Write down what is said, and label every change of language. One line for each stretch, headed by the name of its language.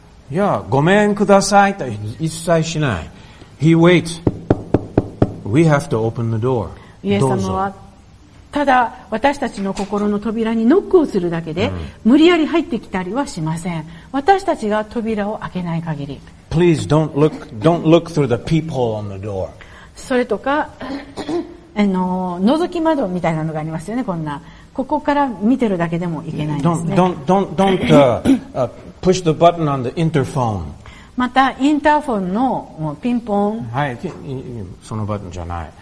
Japanese: いや、ごめんくださいと一切しない。
English: He waits. We have to open the door.
Japanese: イエス様はただ私たちの心の扉にノックをするだけで無理やり入ってきたりはしません。私たちが扉を開けない限り。
English: Please don't look through the peephole on the door.
Japanese: それとか、覗き窓みたいなのがありますよね、こんな。ここから見てるだけでもいけないですね。
English: Don't push the button on the interphone.
Japanese: また、インターフォンのもうピンポン。はい、そのバトンじゃない。